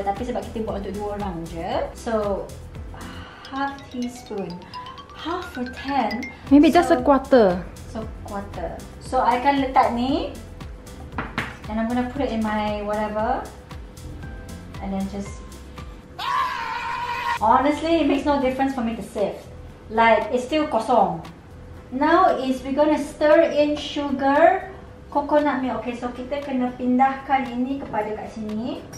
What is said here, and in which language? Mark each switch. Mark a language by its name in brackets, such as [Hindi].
[Malay] Tapi sebab kita buat untuk 2 orang je, [English] so half teaspoon. Half for 10. Maybe so, just a quarter. So quarter. So I [Malay] akan letak ni, [English] and I'm gonna put it in my whatever, and then just, honestly, it makes no difference for me to sift. Like, it's still kosong. Now is we're gonna stir in sugar, coconut milk. [Malay] Okay, so kita kena pindahkan ini kepada kat sini.